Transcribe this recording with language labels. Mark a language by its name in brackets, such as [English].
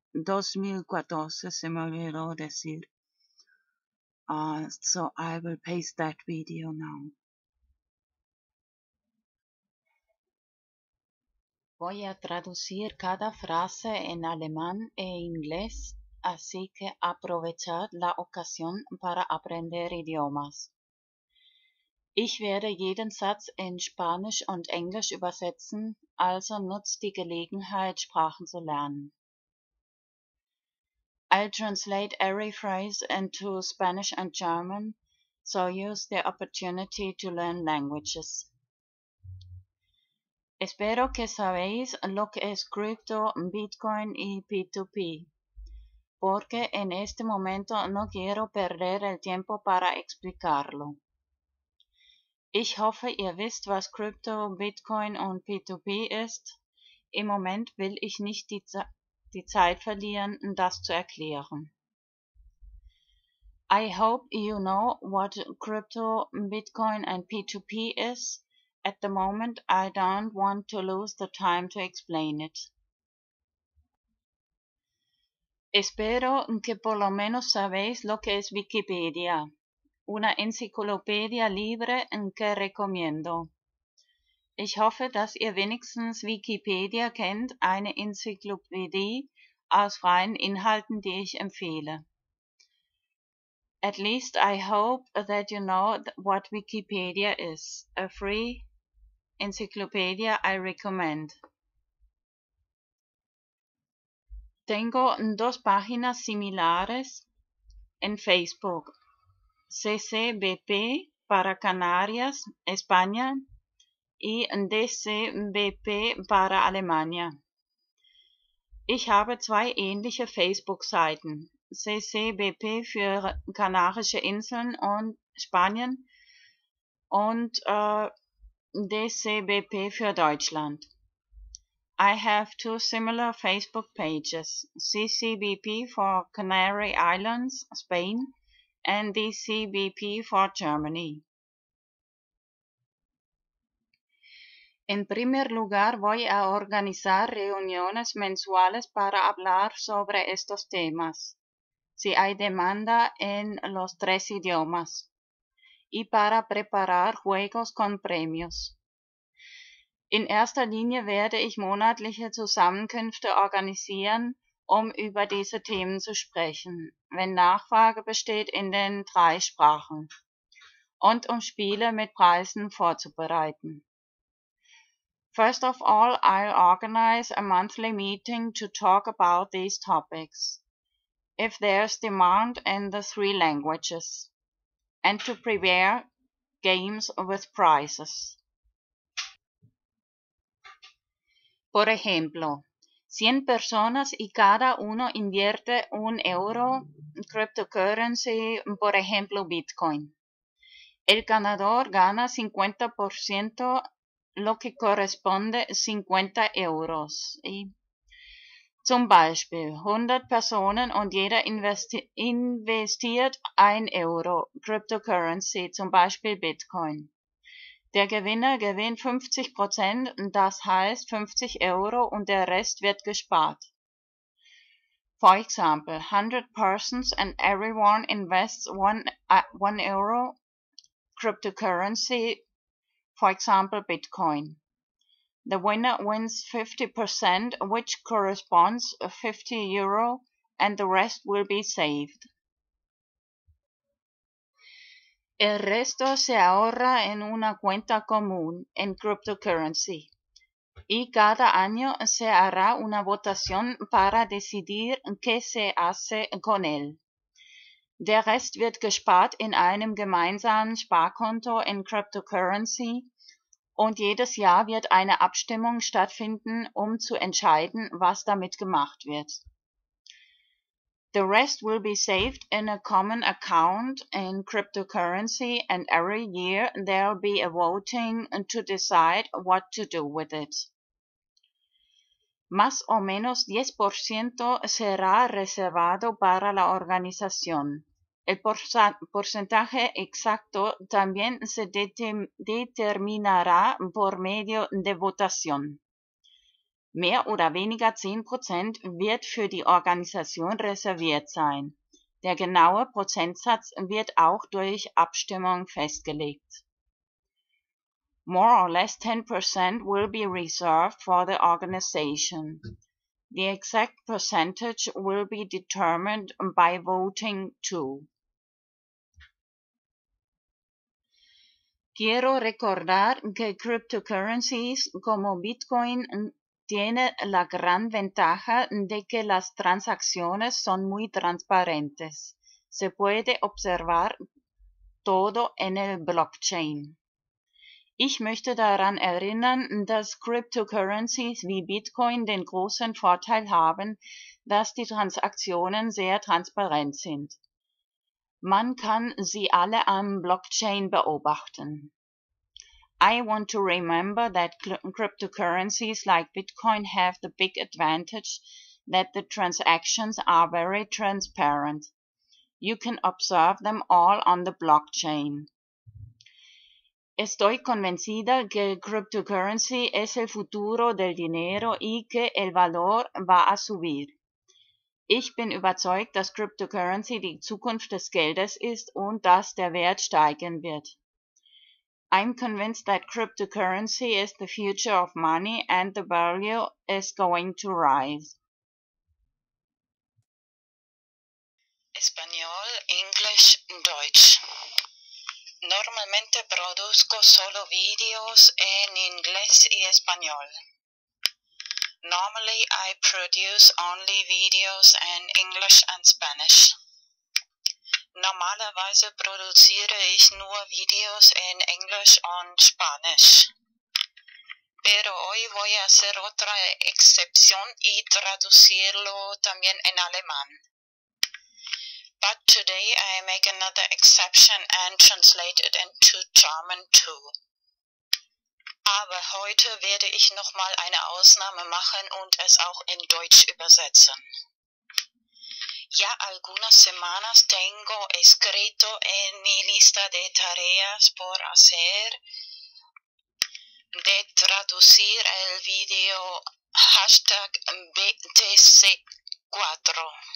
[Spanish] 2014, se me olvidó decir. [English] So I will paste that video now. [Spanish] Voy a traducir cada frase en alemán e inglés, así que aprovechad la ocasión para aprender idiomas. [German] Ich werde jeden Satz in Spanisch und Englisch übersetzen, also nutzt die Gelegenheit, Sprachen zu lernen. [English] I'll translate every phrase into Spanish and German, so use the opportunity to learn languages. [Spanish] Espero que sabéis lo que es cripto, Bitcoin y P2P, porque en este momento no quiero perder el tiempo para explicarlo. [German] Ich hoffe, ihr wisst, was cripto, Bitcoin und P2P ist. Im Moment will ich nicht die Zeit verlieren, das zu erklären. [English] I hope you know what crypto, Bitcoin and P2P is. At the moment, I don't want to lose the time to explain it. [Spanish] Espero que por lo menos sabéis lo que es Wikipedia, una enciclopedia libre que recomiendo. [German] Ich hoffe, dass ihr wenigstens Wikipedia kennt, eine Enzyklopädie aus freien Inhalten, die ich empfehle. [English] At least I hope that you know what Wikipedia is, a free encyclopedia I recommend. [Spanish] Tengo dos páginas similares en Facebook, CCBP para Canarias, España, y DCBP para Alemania. [German] Ich habe zwei ähnliche Facebook-Seiten, CCBP für Kanarische Inseln und Spanien und DCBP für Deutschland. [English] I have two similar Facebook pages, CCBP for Canary Islands, Spain, and DCBP for Germany. [Spanish] En primer lugar, voy a organizar reuniones mensuales para hablar sobre estos temas, si hay demanda en los tres idiomas, y para preparar juegos con premios. [German] In erster Linie werde ich monatliche Zusammenkünfte organisieren, um über diese Themen zu sprechen, wenn Nachfrage besteht in den drei Sprachen, und um Spiele mit Preisen vorzubereiten. [English] First of all, I'll organize a monthly meeting to talk about these topics, if there's demand in the three languages, and to prepare games with prizes. [Spanish] Por ejemplo, 100 personas y cada uno invierte un euro en cryptocurrency, por ejemplo Bitcoin. El ganador gana 50%, lo que corresponde 50 euros. [German] Y zum Beispiel 100 [Spanish] personas y [German] jeder investiert 1 euro cryptocurrency, zum Beispiel Bitcoin. Der Gewinner gewinnt 50%, das heißt 50 Euro, und der Rest wird gespart. [English] For example, 100 persons and everyone invests 1 euro cryptocurrency, for example Bitcoin. The winner wins 50%, which corresponds to 50 euro, and the rest will be saved. [Spanish] El resto se ahorra en una cuenta común, en cryptocurrency. Y cada año se hará una votación para decidir qué se hace con él. [German] Der Rest wird gespart in einem gemeinsamen Sparkonto in cryptocurrency. Und jedes Jahr wird eine Abstimmung stattfinden, um zu entscheiden, was damit gemacht wird. [English] The rest will be saved in a common account in cryptocurrency, and every year there'll be a voting to decide what to do with it. [Spanish] Más o menos 10% será reservado para la organización. El porcentaje exacto también se determinará por medio de votación. [German] Mehr oder weniger 10% wird für die Organisation reserviert sein. Der genaue Prozentsatz wird auch durch Abstimmung festgelegt. [English] More or less 10% will be reserved for the organization. The exact percentage will be determined by voting too. [Spanish] Quiero recordar que cryptocurrencies como Bitcoin tiene la gran ventaja de que las transacciones son muy transparentes. Se puede observar todo en el blockchain. [German] Ich möchte daran erinnern, dass Cryptocurrencies wie Bitcoin den großen Vorteil haben, dass die Transaktionen sehr transparent sind. Man kann sie alle am Blockchain beobachten. [English] I want to remember that cryptocurrencies like Bitcoin have the big advantage that the transactions are very transparent. You can observe them all on the blockchain. [Spanish] Estoy convencida que cryptocurrency es el futuro del dinero y que el valor va a subir. [German] Ich bin überzeugt, dass cryptocurrency die Zukunft des Geldes ist und dass der Wert steigen wird. [English] I'm convinced that cryptocurrency is the future of money and the value is going to rise. [Spanish] Español, English, Deutsch. Normalmente produzco solo videos en inglés y español. [English] Normally I produce only videos in English and Spanish. [German] Normalerweise produziere ich nur Videos en Englisch und Spanisch. [Spanish] Pero hoy voy a hacer otra excepción y traducirlo también en alemán. [English] But today I make another exception and translate it into German too. [German] Aber heute werde ich noch mal eine Ausnahme machen und es auch in Deutsch übersetzen. [Spanish] Ya algunas semanas tengo escrito en mi lista de tareas por hacer de traducir el video hashtag BTC4.